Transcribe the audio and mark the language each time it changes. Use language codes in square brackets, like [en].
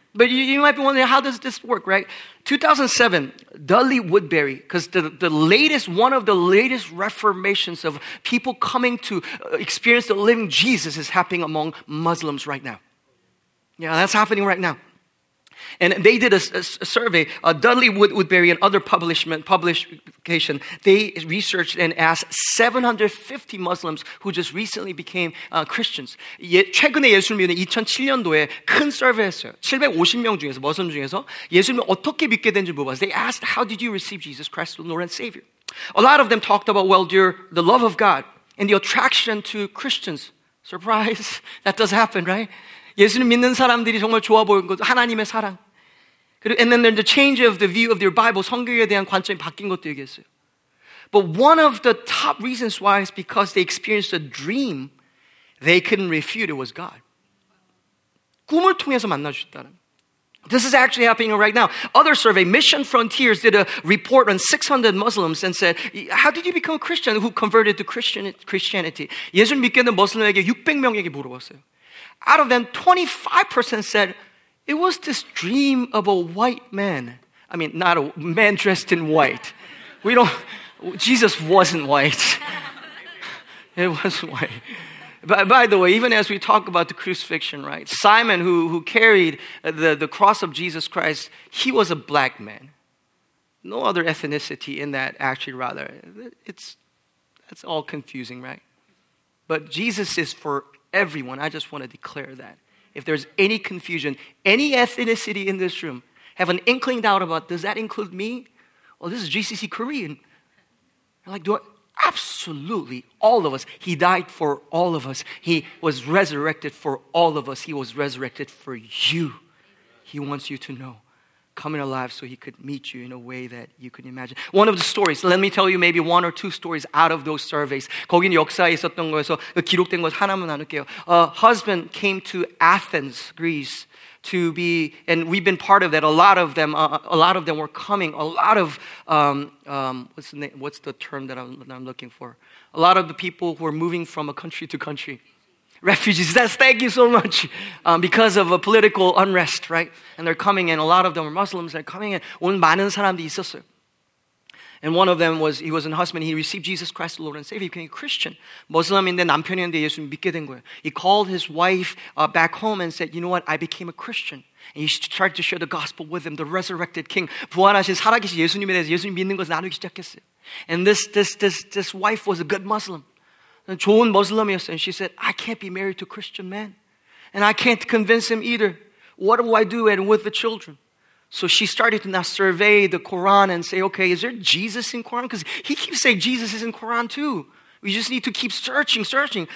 [en] But you might be wondering, how does this work, right? 2007, Dudley Woodberry, because one of the latest reformations of people coming to experience the living Jesus is happening among Muslims right now. Yeah, that's happening right now. And they did a survey, Dudley Woodberry and other publication. They researched and asked 750 Muslims who just recently became Christians. [ko] 최근에 예수를 믿은 2007년도에 큰 서베이했어요. 750명 중에서, 무슬림 중에서 예수님을 어떻게 믿게 된지 물어봤어요. [en] They asked, how did you receive Jesus Christ, the Lord and Savior? A lot of them talked about, well, dear, the love of God and the attraction to Christians. Surprise, that does happen, right? [ko] 예수님 믿는 사람들이 정말 좋아 보이는 것도 하나님의 사랑. 그리고 [en] and then there's the change of the view of their Bible, [ko] 성경에 대한 관점이 바뀐 것도 얘기했어요. [en] But one of the top reasons why is because they experienced a dream they couldn't refute, it was God. [ko] 꿈을 통해서 만나주셨다는. [en] This is actually happening right now. Other survey, Mission Frontiers did a report on 600 Muslims and said, how did you become a Christian who converted to Christianity? [ko] 예수님 믿게 된 무슬림에게 600명에게 물어봤어요. [en] Out of them, 25% said, it was this dream of a white man. I mean, not a man dressed in white. We don't, Jesus wasn't white. It was white. By the way, even as we talk about the crucifixion, right? Simon, who carried the cross of Jesus Christ, he was a black man. No other ethnicity in that, actually, rather. That's all confusing, right? But Jesus is for everyone, I just want to declare that. If there's any confusion, any ethnicity in this room, have an inkling doubt about, does that include me? Well, this is GCC Korean. I'm like, absolutely, all of us. He died for all of us. He was resurrected for all of us. He was resurrected for you. He wants you to know. Coming alive so he could meet you in a way that you could imagine. One of the stories, let me tell you maybe one or two stories out of those surveys. [ko] 거긴 역사에 있었던 거에서 기록된 것 하나만 나눌게요. [en] A husband came to Athens, Greece, to be, and we've been part of that. A lot of them were coming. A lot of, what's the term that I'm looking for? A lot of the people who are moving from a country to country. Refugees, thank you so much. Because of a political unrest, right? And they're coming in. A lot of them are Muslims. They're coming in. [ko] 온 많은 사람들이 있었어요. [en] And one of them was, he was a husband. He received Jesus Christ, the Lord and Savior. He became a Christian. [ko] 무슬림인데 남편이었는데 예수님 믿게 된 거예요. [en] He called his wife back home and said, you know what? I became a Christian. And he started to share the gospel with him, the resurrected king. [ko] 부활하신 살아계신 예수님에 대해서 예수님 믿는 것을 나누기 시작했어요. [en] And this wife was a good Muslim. [ko] 좋은 무슬림이었어요. [en] And she said, I can't be married to a Christian man. And I can't convince him either. What do I do and with the children? So she started to now survey the Quran and say, okay, is there Jesus in Quran? Because he keeps saying Jesus is in Quran too. We just need to keep searching, searching.